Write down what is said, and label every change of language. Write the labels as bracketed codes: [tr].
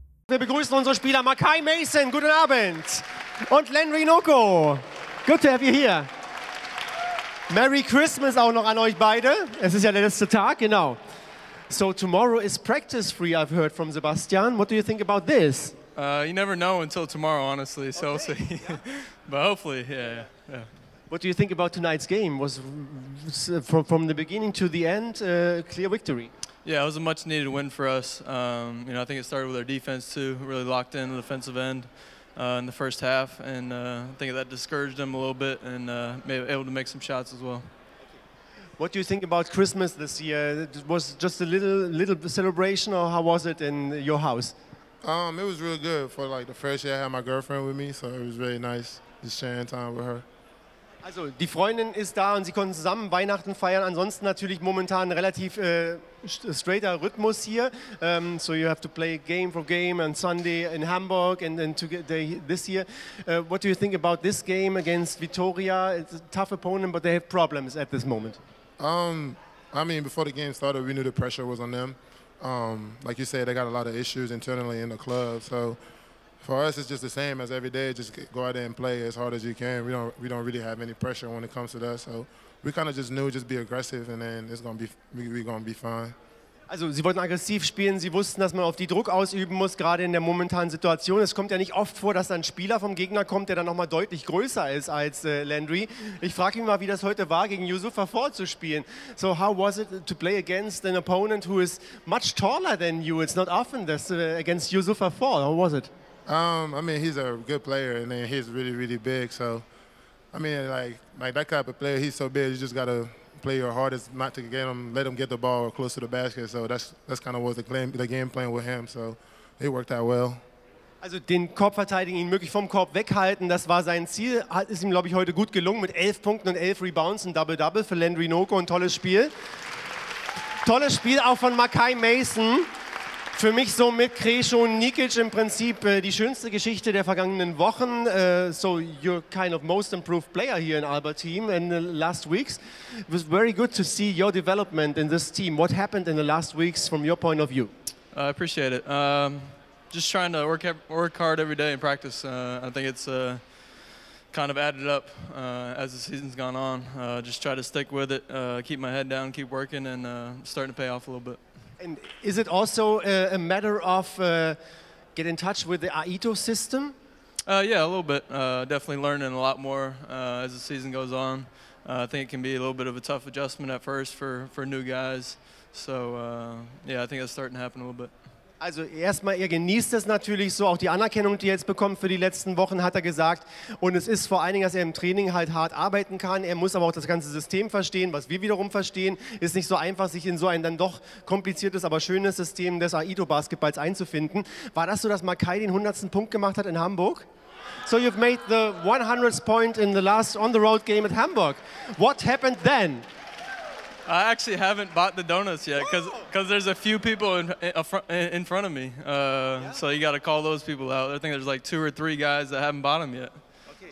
[de] Wir begrüßen unsere Spieler Makai Mason, guten Abend. [en] Und Len Rinoco, good to have you here. Merry Christmas [de] auch noch an euch beide. Es ist ja der letzte Tag, genau. [en] So tomorrow is practice free, I've heard from Sebastian. What do you think about this? You never know until tomorrow, honestly. So okay. We'll see. But hopefully, yeah. What do you think about tonight's game? Was from the beginning to the end a clear victory? Yeah, it was a much needed win for us. You know, I think it started with our defense too, really locked in the defensive end in the first half, and I think that discouraged them a little bit and made able to make some shots as well. What do you think about Christmas this year? It was just a little celebration, or how was it in your house? It was really good. For like the first year, I had my girlfriend with me, so it was really nice just sharing time with her. [de] Also, die Freundin ist da und sie konnten zusammen Weihnachten feiern. Ansonsten natürlich momentan relativ straighter Rhythmus hier. [en] So you have to play game for game on Sunday in Hamburg and then today, this year. What do you think about this game against Vitoria? It's a tough opponent, but they have problems at this moment. I mean, before the game started, we knew the pressure was on them. Like you said, they got a lot of issues internally in the club. So for us, it's just the same as every day. Just go out there and play as hard as you can. We don't really have any pressure when it comes to that. So we kind of just knew, just be aggressive, and then it's gonna be, we're gonna be fine. [de] Also, sie wollten aggressiv spielen. Sie wussten, dass man auf die Druck ausüben muss, gerade in der momentanen Situation. Es kommt ja nicht oft vor, dass ein Spieler vom Gegner kommt, der dann nochmal deutlich größer ist als Landry. Ich frage ihn mal, wie das heute war, gegen Yusufa vorzuspielen. [en] So, how was it to play against an opponent who is much taller than you? It's not often that against Yusufa Fall. How was it? I mean, he's a good player, and then he's really, really big. So, I mean, like that type of player, he's so big, you just got to play your hardest not to get him, let him get the ball or close to the basket. So that's kind of what the game plan with him. So it worked out well. [de] Also den Korb verteidigen, ihn möglich vom Korb weghalten, das war sein Ziel. Ist ihm, glaube ich, heute gut gelungen mit 11 Punkten und 11 Rebounds, ein Double-Double für Len Rinoco, ein tolles Spiel. Tolles Spiel auch von Makai Mason. Für mich so mit Krešo Nikic im Prinzip die schönste Geschichte der vergangenen Wochen. [en] So you're kind of most improved player here in Alba team in the last weeks. It was very good to see your development in this team. What happened in the last weeks from your point of view? I appreciate it. Just trying to work hard every day in practice. I think it's kind of added up as the season's gone on. Just try to stick with it, keep my head down, keep working, and starting to pay off a little bit. And is it also a matter of get in touch with the Aito system? Yeah, a little bit. Definitely learning a lot more as the season goes on. I think it can be a little bit of a tough adjustment at first for new guys. So, yeah, I think it's starting to happen a little bit. [de] Also erstmal, ihr genießt es natürlich so, auch die Anerkennung, die ihr jetzt bekommt für die letzten Wochen, hat er gesagt. Und es ist vor allen Dingen, dass er im Training halt hart arbeiten kann. Er muss aber auch das ganze System verstehen, was wir wiederum verstehen. Ist nicht so einfach, sich in so ein dann doch kompliziertes, aber schönes System des Aito-Basketballs einzufinden. War das so, dass Makai den 100. Punkt gemacht hat in Hamburg? [en] So you've made the 100th point in the last on-the-road game at Hamburg. What happened then? I actually haven't bought the donuts yet because there's a few people in front of me. So you got to call those people out. I think there's like two or three guys that haven't bought them yet. Okay.